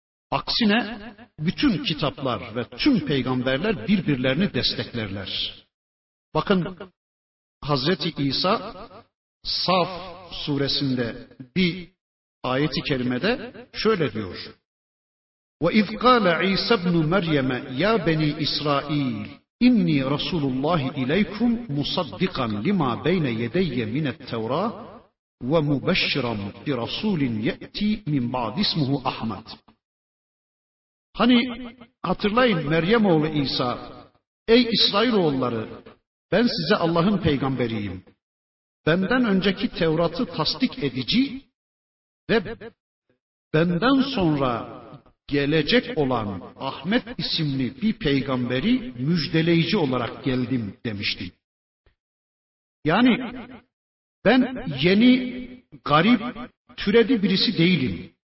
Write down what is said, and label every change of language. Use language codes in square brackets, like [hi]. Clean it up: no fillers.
[tr] Aksine bütün kitaplar ve tüm peygamberler birbirlerini desteklerler. Bakın Hazreti İsa Saf suresinde bir ayeti kerimede şöyle diyor. [ar] وَاِذْ قَالَ عِيْسَ بْنُ مَرْيَمَ يَا بَنِي إِسْرَائِيلِ اِنِّي رَسُولُ اللّٰهِ اِلَيْكُمْ مُصَدِّقًا لِمَا بَيْنَ يَدَيَّ مِنَ التَّوْرَاهِ وَمُبَشِّرًا بِرَسُولٍ يَأْتِي مِنْ بَعْدِ اسْمُهُ اَحْمَدٍ [tr] Hani hatırlayın Meryem oğlu İsa, ey İsrailoğulları, ben size Allah'ın peygamberiyim. Benden önceki Tevrat'ı tasdik edici ve benden sonra gelecek olan Ahmet isimli bir peygamberi müjdeleyici olarak geldim demişti. Yani ben yeni, garip, türedi birisi değilim.